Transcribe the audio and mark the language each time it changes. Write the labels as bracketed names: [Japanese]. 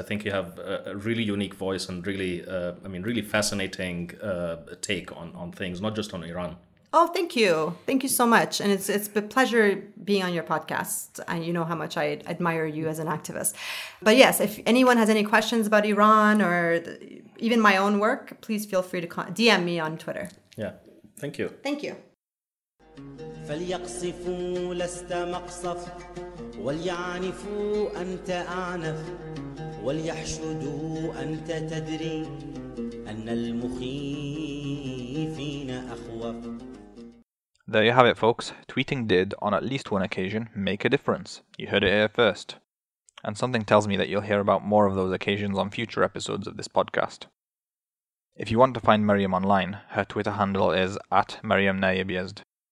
[English] I think you have a really unique voice and really, really fascinating take on things, not just on Iran. Oh, thank you. Thank you so much. And it's a pleasure being on your podcast. And you know how much I admire you as an activist. But yes, if anyone has any questions about Iran or even my own work, please feel free to DM me on Twitter. Yeah. Thank you. Thank you. [Arabic] فليقصفوا لست مقصف وليعنفوا أنت أعنف وليحشدوا أنت تدري أن المخيفين أخوف. [English] There you have it, folks. Tweeting did, on at least one occasion, make a difference. You heard it here first. And something tells me that you'll hear about more of those occasions on future episodes of this podcast. If you want to find Mariam online, her Twitter handle is @MariamNayabYezd.